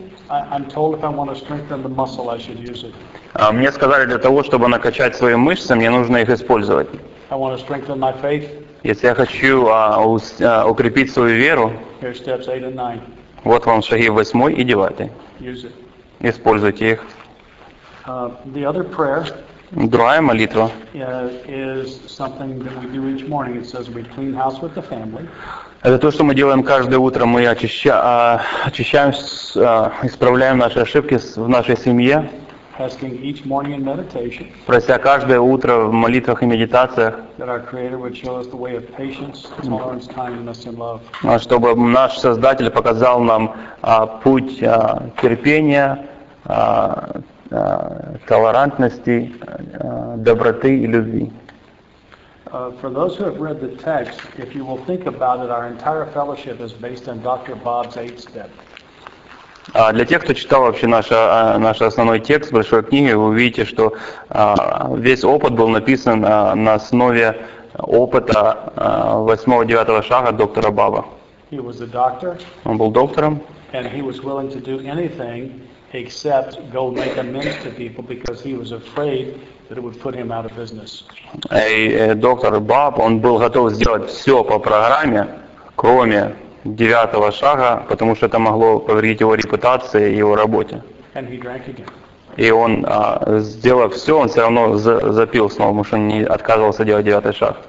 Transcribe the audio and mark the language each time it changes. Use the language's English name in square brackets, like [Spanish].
[English] I'm told if I want to strengthen the muscle, I should use it. [Russian] Мне сказали, для того, чтобы накачать свои мышцы, мне нужно их использовать. [English] I want to strengthen my faith. [Russian] Если я хочу укрепить свою веру, [English] here's steps 8 and 9. [Russian] Вот вам шаги 8 и 9. [English] Use it. [Russian] Используйте их. [English] The other prayer. [Russian] Другая молитва. [English] Is something that we do each morning. It says we clean house with the family. [Russian] Это то, что мы делаем каждое утро. Мы очищаем, исправляем наши ошибки в нашей семье, [English] asking each morning in meditation, [Russian] прося каждое утро в молитвах и медитациях, [English] that our Creator would show us the way of patience, tolerance, kindness, and love. [Russian] Чтобы наш Создатель показал нам путь терпения, толерантности, доброты и любви. [English] For those who have read the text, if you will think about it, our entire fellowship is based on Dr. Bob's 8 step. [Russian] Для тех, кто читал вообще наш основной текст большой книги, вы увидите, что весь опыт был написан на основе опыта 8-9 шага доктора Баба. [English] He was a doctor. [Russian] Он был доктором. [English] And he was willing to do anything except go make amends to people because he was afraid that it would put him out of business. [Russian] Доктор Баб, он был готов сделать все по программе, кроме девятого шага, потому что это могло повредить его репутации и его работе. [English] And he drank again. [Russian] И он сделал все, он все равно запил снова, потому что он не отказывался делать девятый шаг.